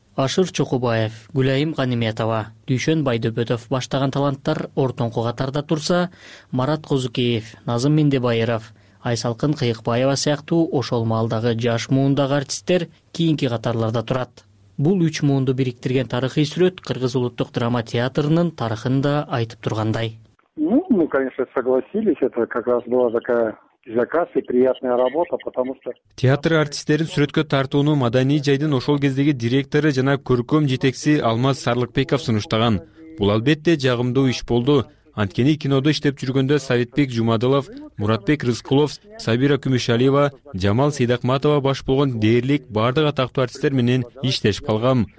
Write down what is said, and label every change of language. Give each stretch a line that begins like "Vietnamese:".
Kyrgyz: Ашыр Чокубаев, Гүлайым Ганиметова, Дүйшөн Байдөбөтов баштаган таланттар ортоңку катарда турса, Марат Козукеев, Назым Мендебайыров, Айсалкын Кыйыкбаева сыяктуу ошол маалдагы жаш муундагы артисттер кийинки катарларда турат. Бул үч муунду бириктирген тарыхый сүрөт Кыргыз улуттук драма театрынын тарыхын да айтып тургандай.
Russian: Мы, конечно, согласились. Это как раз была такая заказ и приятная работа, потому что
Kyrgyz: театр артисттерин сүрөткө тартууну маданий жайдын ошол кездеги директору жана көркөм жетекчиси Алмаз Сарлыкбеков сунуштаган. Бул албетте жагымдуу иш болду. Анткени кинодо иштеп жүргөндө Советбек Жумадылов, Муратбек Рыскулов, Сабира Күмүшалиева, Жамал Сейдакматова баш болгон дээрлик баардык атактуу артисттер менен иштешип калгам.